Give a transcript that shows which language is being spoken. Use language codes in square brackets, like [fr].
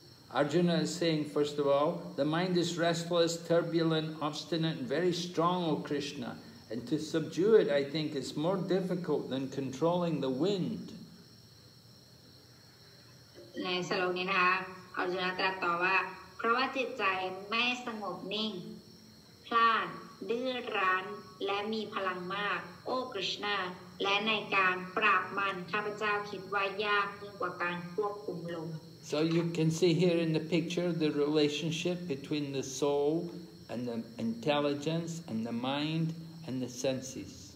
[en] Arjuna is saying, first of all, the mind is restless, turbulent, obstinate, and very strong, O Krishna. And to subdue it, I think, is more difficult than controlling the wind. [th] ในสโลกนี้นะคะ Arjuna ตรัสต่อว่าเพราะว่าจิตใจไม่สงบนิ่งพล่านดื้อรั้นและมีพลังมากโอ้ Krishna และในการปราบมันข้าพเจ้าคิดว่ายากยิ่งกว่าการควบคุมลม [en] So you can see here in the picture the relationship between the soul and the intelligence and the mind and the senses.